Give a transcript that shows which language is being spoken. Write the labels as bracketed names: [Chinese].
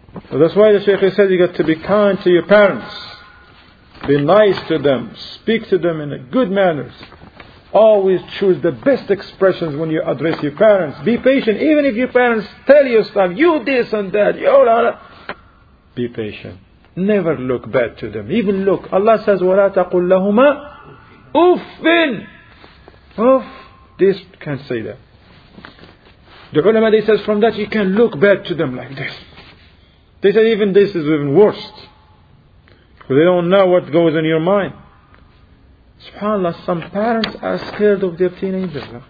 [English] So that's why the Shaykh said you got to be kind to your parents, be nice to them, speak to them in a good manners. Always choose the best expressions when you address your parents. Be patient. Even if your parents tell you stuff, you this and that, you all that. Be patient. Never look bad to them. Even look. Allah says, [Arabic] وَلَا تَقُلْ لَهُمَا أُفٍ. [English] Uff. This can say that. The ulama, they says from that you can look bad to them like this. They say even this is even worse. Because they don't know what goes in your mind. SubhanAllah, some parents are scared of their teenagers.